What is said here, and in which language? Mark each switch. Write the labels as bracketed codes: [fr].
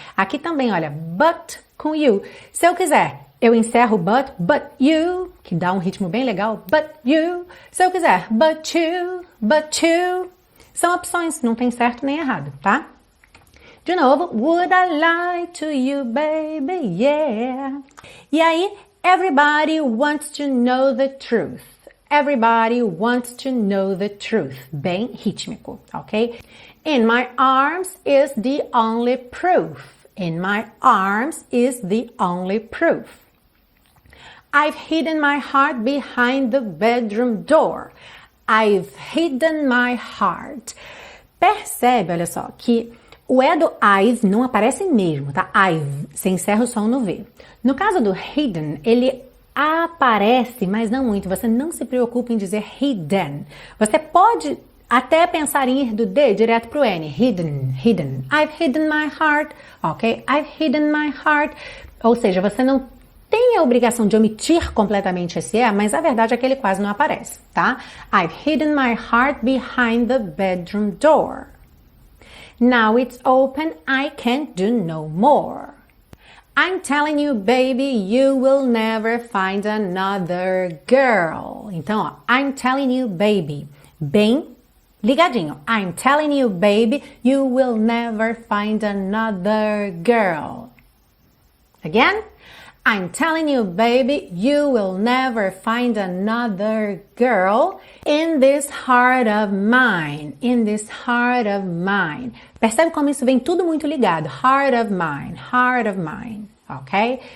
[pt] Aqui também, olha, but com you, se eu quiser, eu encerro but you, que dá um ritmo bem legal, but you, se eu quiser, but you, são opções, não tem certo nem errado, tá? [en] De novo, would I lie to you, baby, yeah, e aí, everybody wants to know the truth. Everybody wants to know the truth. Bem rítmico, ok? In my arms is the only proof. In my arms is the only proof. I've hidden my heart behind the bedroom door. I've hidden my heart. [pt] Percebe, olha só, que o E do I've não aparece mesmo, tá? I've, você encerra o som no V. No caso do hidden, ele aparece, mas não muito. Você não se preocupa em dizer hidden. Você pode até pensar em ir do D direto pro N. [en] Hidden, hidden. I've hidden my heart, ok? [pt] I've hidden my heart. Ou seja, você não tem a obrigação de omitir completamente esse E, mas a verdade é que ele quase não aparece, tá? [en] I've hidden my heart behind the bedroom door. Now it's open, I can't do no more. I'm telling you, baby, you will never find another girl. [pt] Então, ó, I'm telling you, baby, bem ligadinho. [en] I'm telling you, baby, you will never find another girl. Again? I'm telling you, baby, you will never find another girl in this heart of mine, in this heart of mine. [pt] Percebe como isso vem tudo muito ligado, heart of mine, ok?